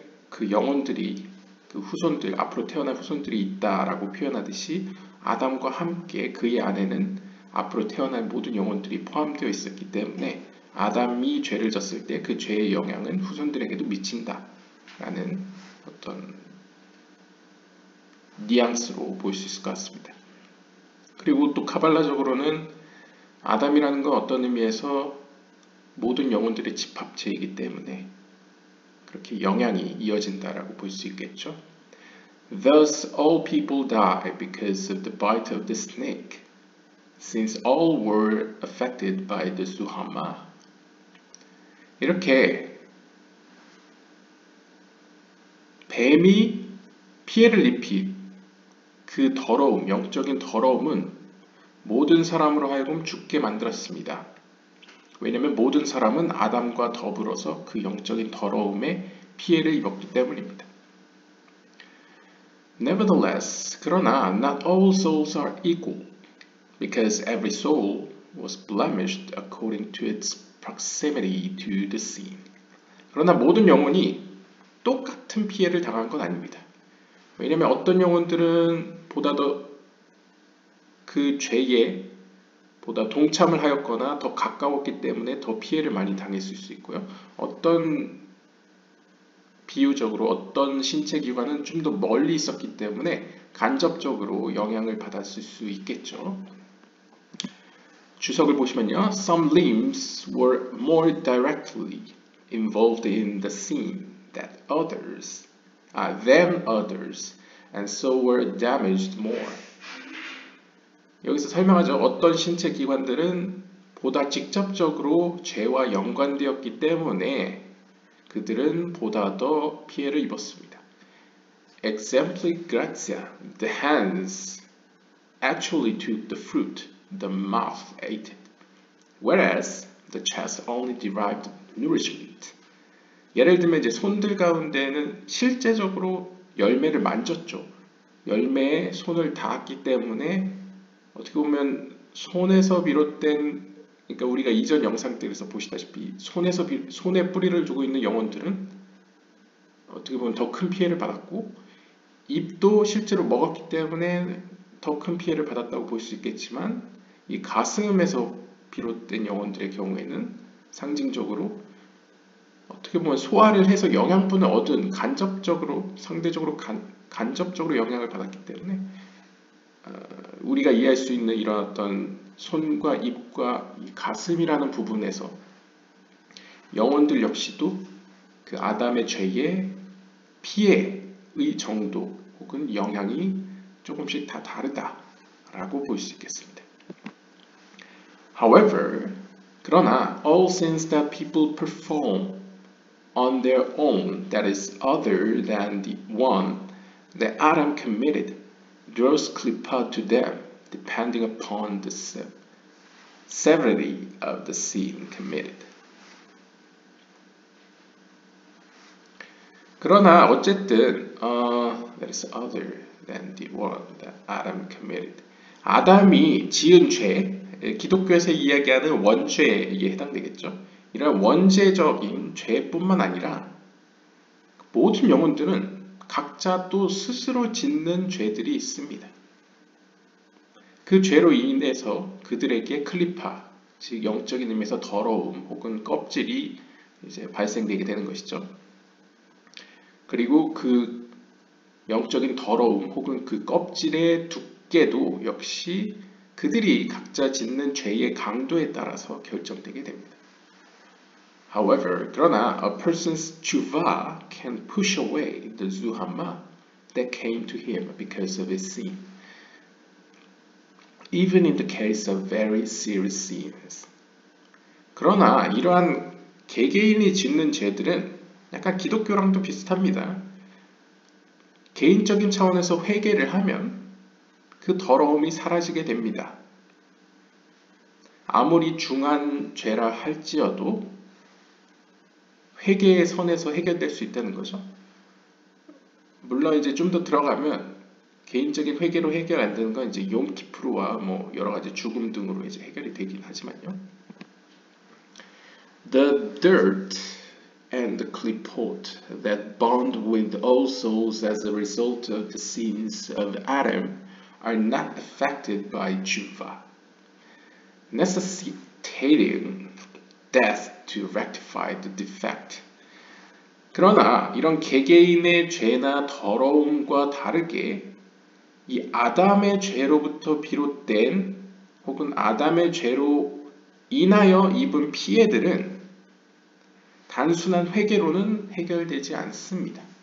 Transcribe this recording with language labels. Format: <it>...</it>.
<ko>그 영혼들이 그 후손들 앞으로 태어날 후손들이 있다라고 표현하듯이 아담과 함께 그의 안에는 앞으로 태어날 모든 영혼들이 포함되어 있었기 때문에 아담이 죄를 졌을 때 그 죄의 영향은 후손들에게도 미친다 라는 어떤 뉘앙스로 보일 수 있을 것 같습니다. 그리고 또 카발라적으로는 아담이라는 건 어떤 의미에서 모든 영혼들의 집합체이기 때문에 그렇게 영향이 이어진다라고 볼 수 있겠죠.</ko> <en>Thus all people die because of the bite of the snake, since all were affected by the Zuhama.</en> <ko>이렇게 뱀이 피해를 입힌 그 더러움, 영적인 더러움은 모든 사람으로 하여금 죽게 만들었습니다. 왜냐하면 모든 사람은 아담과 더불어서 그 영적인 더러움에 피해를 입었기 때문입니다.</ko> <en>Nevertheless,</en> <ko>그러나</ko> <en>not all souls are equal, because every soul was blemished according to its proximity to the sin.</en> <ko>그러나 모든 영혼이 똑같은 피해를 당한 건 아닙니다. 왜냐하면 어떤 영혼들은 보다 더 그 죄에 보다 동참을 하였거나 더 가까웠기 때문에 더 피해를 많이 당했을 수 있고요. 어떤 비유적으로 어떤 신체 기관은 좀 더 멀리 있었기 때문에 간접적으로 영향을 받았을 수 있겠죠. 주석을 보시면요.</ko> <en>Some limbs were more directly involved in the sin that others, than others, and so were damaged more.</en> <ko>여기서 설명하죠. 어떤 신체 기관들은 보다 직접적으로 죄와 연관되었기 때문에 그들은 보다 더 피해를 입었습니다.</ko> <en>Exempli gratia, the hands actually took the fruit, the mouth ate it, whereas the chest only derived nourishment.</en> <ko>예를 들면 이제 손들 가운데는 실제적으로 열매를 만졌죠. 열매에 손을 닿았기 때문에 어떻게 보면 손에서 비롯된, 그러니까 우리가 이전 영상들에서 보시다시피 손에 뿌리를 두고 있는 영혼들은 어떻게 보면 더 큰 피해를 받았고, 입도 실제로 먹었기 때문에 더 큰 피해를 받았다고 볼 수 있겠지만, 이 가슴에서 비롯된 영혼들의 경우에는 상징적으로 어떻게 보면 소화를 해서 영양분을 얻은, 간접적으로 상대적으로 간접적으로 영향을 받았기 때문에 우리가 이해할 수 있는 이런 어떤 손과 입과 이 가슴이라는 부분에서 영혼들 역시도 그 아담의 죄의 피해의 정도 혹은 영향이 조금씩 다 다르다라고 볼 수 있겠습니다.</ko> <en>However,</en> <ko>그러나</ko> <en>all sins that people perform on their own, that is other than the one that Adam committed, draws klipa to them, depending upon the severity of the sin committed.</en> <ko>그러나 어쨌든</ko> <en>that is other than the one that Adam committed.</en> <ko>아담이 지은 죄, 기독교에서 이야기하는 원죄에 해당되겠죠. 이런 원죄적인 죄뿐만 아니라 모든 영혼들은 각자 또 스스로 짓는 죄들이 있습니다. 그 죄로 인해서 그들에게 클리파, 즉 영적인 의미에서 더러움 혹은 껍질이 이제 발생되게 되는 것이죠. 그리고 그 영적인 더러움 혹은 그 껍질의 두께도 역시 그들이 각자 짓는 죄의 강도에 따라서 결정되게 됩니다.</ko> <en>However,</en> <ko>그러나</ko> <en>a person's tshuva can push away the zuhama that came to him because of his sin, even in the case of very serious sins.</en> <ko>그러나 이러한 개개인이 짓는 죄들은 약간 기독교랑도 비슷합니다. 개인적인 차원에서 회개를 하면 그 더러움이 사라지게 됩니다. 아무리 중한 죄라 할지어도 회개의 선에서 해결될 수 있다는 거죠. 물론 이제 좀 더 들어가면 개인적인 회개로 해결 안 되는 건 이제 용키프루와 뭐 여러 가지 죽음 등으로 이제 해결이 되긴 하지만요.</ko> <en>The dirt and the clipot that bond with all souls as a result of the sins of Adam are not affected by tshuva, necessitating death to rectify the defect.</en> <ko>그러나 이런 개개인의 죄나 더러움과 다르게 이 아담의 죄로부터 비롯된 혹은 아담의 죄로 인하여 입은 피해들은 단순한 회개로는 해결되지 않습니다.</ko>